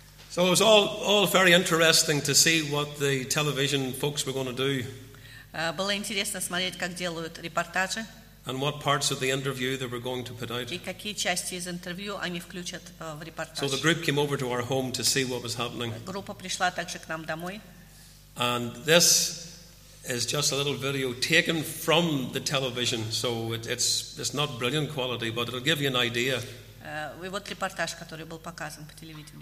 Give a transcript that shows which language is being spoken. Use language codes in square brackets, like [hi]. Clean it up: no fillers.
[en] So it was all very interesting to see what the television folks were going to do. [ru] Было интересно смотреть, как делают репортажи. [en] And what parts of the interview they were going to put out. [ru] И какие части из интервью они включат в репортаж. [en] So the group came over to our home to see what was happening. [ru] Группа пришла также к нам домой. [en] And this is just a little video taken from the television, so it's not brilliant quality, but it'll give you an idea. [ru] И вот репортаж, который был показан по телевидению.